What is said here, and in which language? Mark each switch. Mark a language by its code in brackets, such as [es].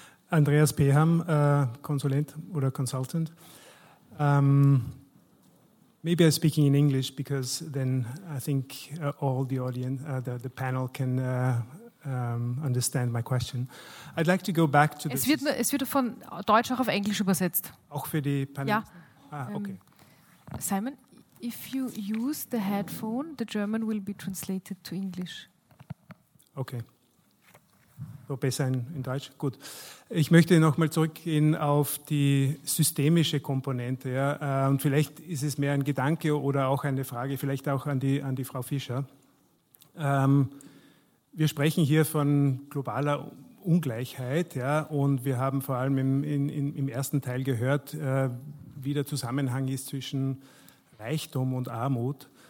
[de] Andreas Beham, Konsulent oder Consultant. [en] Maybe I'm speaking in English because then I think all the audience, the panel can understand my question. I'd like to go back to this. [de] Es wird von Deutsch auch auf Englisch übersetzt. Auch für die Panel? Ja. Okay. [en] Simon, if you use the headphone, the German will be translated to English. [de] Okay, so besser in Deutsch, gut. Ich möchte nochmal zurückgehen auf die systemische Komponente. Ja. Und vielleicht ist es mehr ein Gedanke oder auch eine Frage, vielleicht auch an die Frau Fischer. Wir sprechen hier von globaler Ungleichheit, ja, und wir haben vor allem im ersten Teil gehört, wie der Zusammenhang ist zwischen Reichtum und Armut.